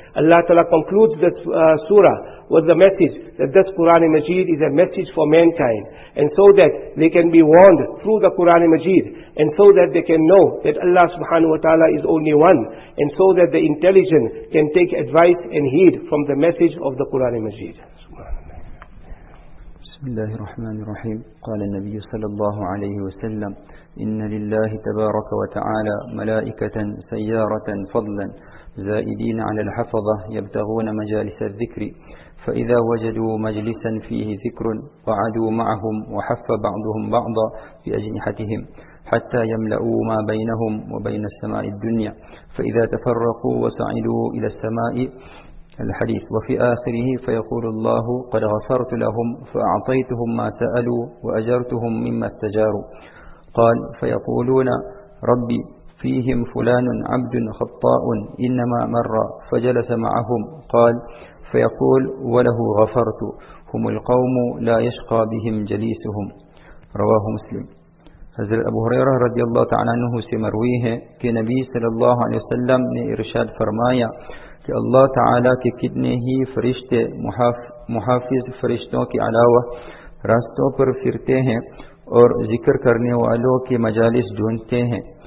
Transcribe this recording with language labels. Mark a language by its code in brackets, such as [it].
[en] Allah Ta'ala concludes this surah with the message that this Qur'an Majeed is a message for mankind, and so that they can be warned through the Qur'an Majeed, and so that they can know that Allah subhanahu wa ta'ala is only one, and so that the intelligent can take advice and heed from the message of the Qur'an Majeed. [ar] Bismillah ar-Rahman ar-Rahim. Qala an-Nabiyyu sallallahu alayhi wa sallam, inna lillahi tabaraka wa ta'ala malaikatan sayyaratan fadlan زائدين على الحفظة يبتغون مجالس الذكر فإذا وجدوا مجلسا فيه ذكر قعدوا معهم وحف بعضهم بعضا في أجنحتهم حتى يملؤوا ما بينهم وبين السماء الدنيا فإذا تفرقوا وصعدوا إلى السماء الحديث وفي آخره فيقول الله قد غفرت لهم فأعطيتهم ما سألوا وأجرتهم مما استجاروا قال فيقولون ربي فيهم فلان عبد خطاء إنما مر فجلس معهم قال فيقول وله غفرت هم القوم لا يشقى بهم جليسهم رواه مسلم. [ur] حضرت ابو هريره رضی اللہ تعالی عنہ سے مروی ہے کہ نبی صلی اللہ علیہ وسلم نے ارشاد فرمایا کہ اللہ تعالی کے کتنے ہی فرشتے محافظ فرشتوں کے علاوہ راستوں پر پھرتے ہیں اور ذکر کرنے والوں کے مجالس ڈھونڈتے ہیں.